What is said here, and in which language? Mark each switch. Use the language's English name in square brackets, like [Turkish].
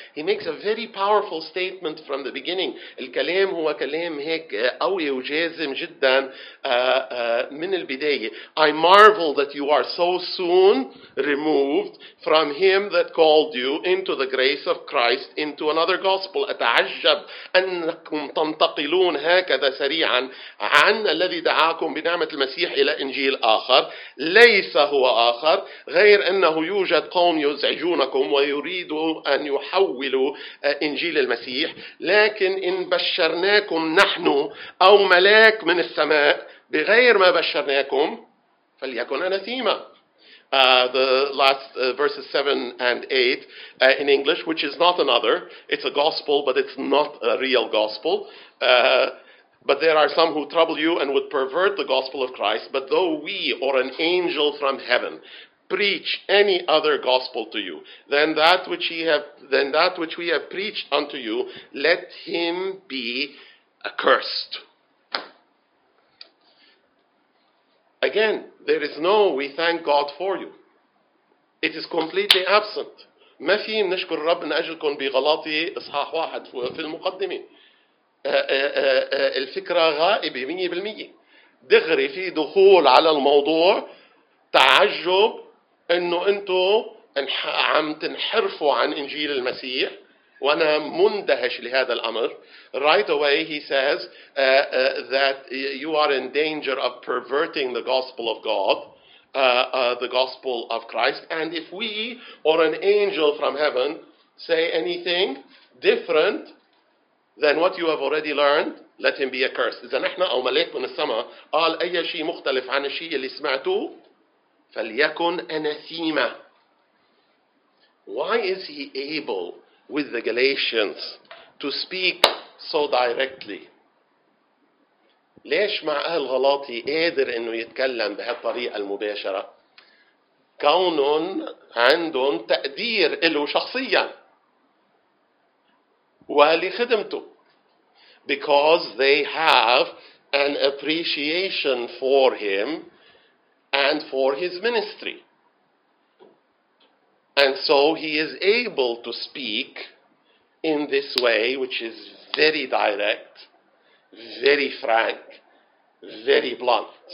[English] He makes a very powerful statement from the beginning. [Arabic] الكلام هو كلام هيك قوي وجازم جدا من البداية. [English] I marvel that you are so soon removed from him that called you into the grace of Christ into another gospel. [Arabic] أتعجب أنكم تنتقلون هكذا سريعا عن الذي دعاكم بنعمة المسيح إلى إنجيل آخر ليس هو آخر غير أنه يوجد قوم يزعجونكم ويريدوا أن يحولوا إنجيل المسيح لكن إن بشرناكم نحن أو ملاك من السماء بغير ما بشرناكم فليكن أنثيما. [English] The last verses 7 and 8 in English, which is not another, it's a gospel but it's not a real gospel. But there are some who trouble you and would pervert the gospel of Christ. But though we or an angel from heaven preach any other gospel to you, than that which we have preached unto you, let him be accursed. Again, there is no we thank God for you. It is completely absent. [Arabic] ما في نشكر رب من أجلكم بغلاطي إصحاح واحد في المقدمة. الفكرة غائبة 100% دغري في دخول على الموضوع تعجب انه انتو عم تنحرفوا عن انجيل المسيح وانا مندهش لهذا الامر. [English] Right away he says that you are in danger of perverting the gospel of God, the gospel of Christ, and if we or an angel from heaven say anything different then what you have already learned, let him be accursed. [Arabic] إذا نحن أو ملاك من السماء قال أي شيء مختلف عن الشيء اللي سمعته فليكن أنثيما. [English] Why is he able with the Galatians to speak so directly? [Arabic] ليش مع أهل غلاطي قادر إنه يتكلم بهالطريقة المباشرة؟ كونن عندهم تقدير له شخصيا ولخدمته. [English] Because they have an appreciation for him and for his ministry. And so he is able to speak in this way, which is very direct, very frank, very blunt.